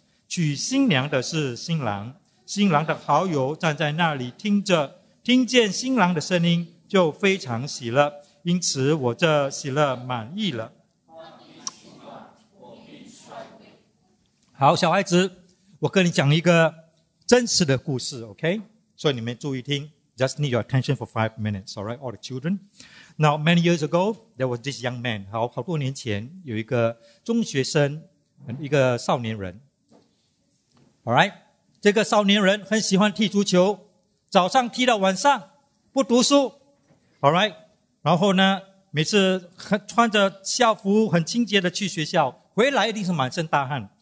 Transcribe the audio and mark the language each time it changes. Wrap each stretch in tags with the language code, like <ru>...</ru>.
<zh>娶新娘的是新郎，新郎的好友站在那里听着，听见新郎的声音就非常喜乐，因此我这喜乐满意了。好，小孩子，我跟你讲一个真实的故事 ，OK？所以你们注意听 ，</zh> <en>Just need your attention for 5 minutes, all right, all the children. Now, many years ago, there was this young man.</en> <zh>好多年前有一个中学生，一个少年人。</zh> <en>All right,</en> <zh>这个少年人很喜欢踢足球，早上踢到晚上，不读书。</zh> <en>All right,</en> <zh>然后呢，每次穿着校服很清洁的去学校，回来一定是满身大汗。</zh>